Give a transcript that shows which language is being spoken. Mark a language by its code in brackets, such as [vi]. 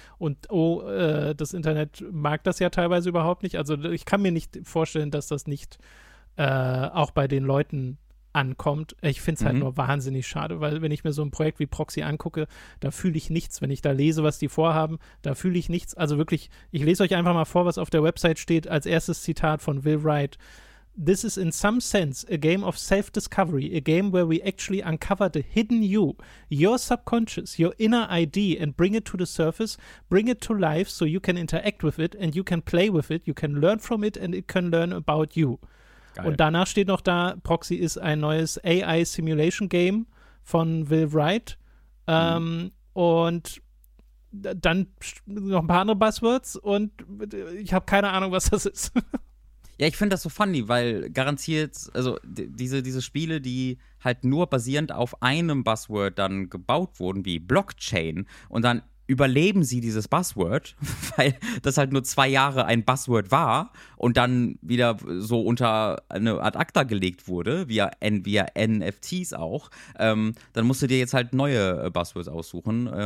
[de] Und das Internet mag das ja teilweise überhaupt nicht. Also ich kann mir nicht vorstellen, dass das nicht auch bei den Leuten ankommt. Ich finde es halt nur wahnsinnig schade, weil wenn ich mir so ein Projekt wie Proxy angucke, da fühle ich nichts. Wenn ich da lese, was die vorhaben, da fühle ich nichts. Also wirklich, ich lese euch einfach mal vor, was auf der Website steht. Als erstes Zitat von Will Wright. [en] This is in some sense a game of self-discovery, a game where we actually uncover the hidden you, your subconscious, your inner ID, and bring it to the surface, bring it to life so you can interact with it and you can play with it, you can learn from it and it can learn about you. [de] Geil. Und danach steht noch da, Proxy ist ein neues AI-Simulation-Game von Will Wright. Und dann noch ein paar andere Buzzwords und ich habe keine Ahnung, was das ist. Ja, ich finde das so funny, weil garantiert, also diese Spiele, die halt nur basierend auf einem Buzzword dann gebaut wurden, wie Blockchain, und dann überleben sie dieses Buzzword, weil das halt nur 2 Jahre ein Buzzword war und dann wieder so unter eine Art ACTA gelegt wurde, via NFTs auch, dann musst du dir jetzt halt neue Buzzwords aussuchen.